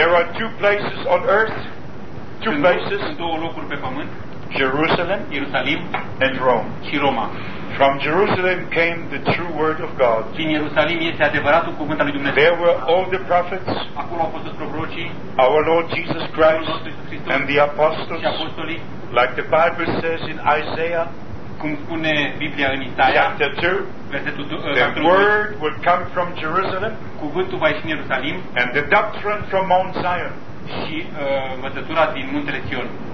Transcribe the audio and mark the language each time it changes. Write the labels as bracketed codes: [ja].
[en] There are two places on earth, two [ro] sunt [en] places, [ro] două locuri pe pământ, [en] Jerusalem, [ro] Ierusalim, [en] and Rome. [ro] Și Roma. [en] From Jerusalem came the true word of God. [ro] Din Ierusalim este adevăratul cuvânt al lui Dumnezeu. [en] There were all the prophets. [ro] Acolo au fost prorocii. [en] Our Lord Jesus Christ and the apostles. [ro] Și apostolii. [en] Like the Bible says in Isaiah. [ro] Cum spune Biblia în Isaia. Versetul 2. [en] The word would come from Jerusalem. [ro] Cuvântul va ieși din Ierusalim. [en] And the doctrine from Mount Zion. [ro] Și învățătura din muntele Sion.